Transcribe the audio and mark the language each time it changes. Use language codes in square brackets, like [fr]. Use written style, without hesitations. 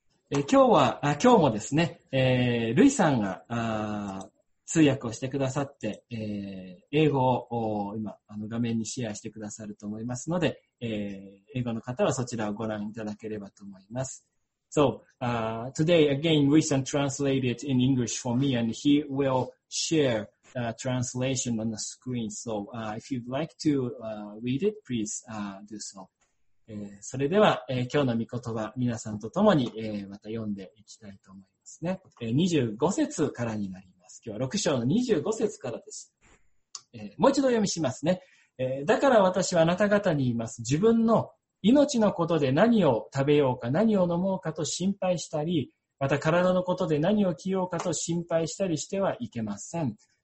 [ja] 今日もですね、ルイさんが通訳をしてくださって、英語を今あの画面にシェアしてくださると思いますので、英語の方はそちらをご覧いただければと思います。 [en] So, today again, Ruisan translated in English for me, and he will share a translation on the screen. So, if you'd like to read it, please do so. [ja] それでは、今日の御言葉、皆さんと共に、また読んでいきたいと思いますね。 25節からになります。今日は6章の25節からです。もう一度読みしますね。だから私はあなた方に言います。自分の命のことで何を食べようか、何を飲もうかと心配したり、また体のことで何を着ようかと心配したりしてはいけません。